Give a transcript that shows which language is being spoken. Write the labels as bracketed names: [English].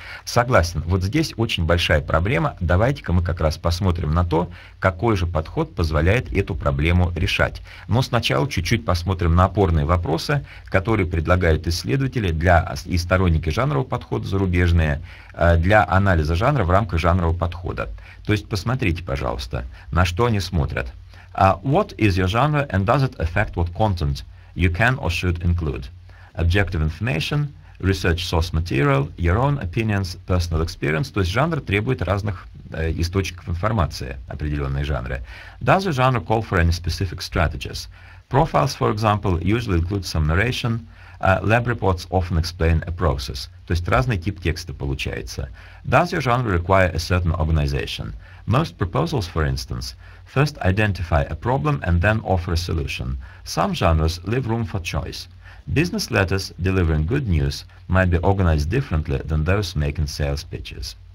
[Russian] Согласен, вот здесь очень большая проблема. Давайте-ка мы как раз посмотрим на то, какой же подход позволяет эту проблему решать. Но сначала чуть-чуть посмотрим на опорные вопросы, которые предлагают исследователи для и сторонники жанрового подхода зарубежные, для анализа жанра в рамках жанрового подхода. То есть посмотрите, пожалуйста, на что они смотрят. [English] What is your genre and does it affect what content you can or should include? Objective information, research source material, your own opinions, personal experience. [Russian] То есть жанр требует разных источников информации, определенные жанры. [English] Does the genre call for any specific strategies? Profiles, for example, usually include some narration. Lab reports often explain a process. [Russian] То есть разный тип текста получается. [English] Does your genre require a certain organization? Most proposals, for instance, first identify a problem and then offer a solution. Some genres leave room for choice. Business letters delivering good news might be organized differently than those making sales pitches.